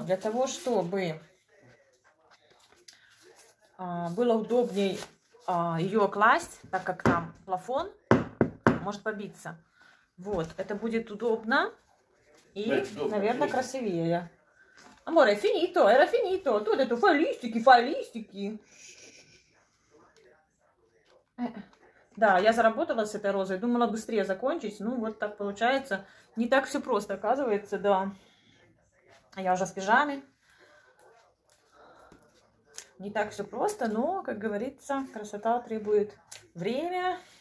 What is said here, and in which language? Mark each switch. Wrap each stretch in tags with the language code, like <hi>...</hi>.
<ru>Для того, чтобы было удобнее ее класть, так как там плафон может побиться. Вот, это будет удобно и, наверное, красивее.</ru> <it>Amore, era finito. Tu hai detto, fai listiki.</it> <ru>Да, я заработала с этой розой. Думала быстрее закончить. Ну, вот так получается. Не так все просто, оказывается, да. А я уже в пижаме. Не так все просто, но, как говорится, красота требует время.</ru>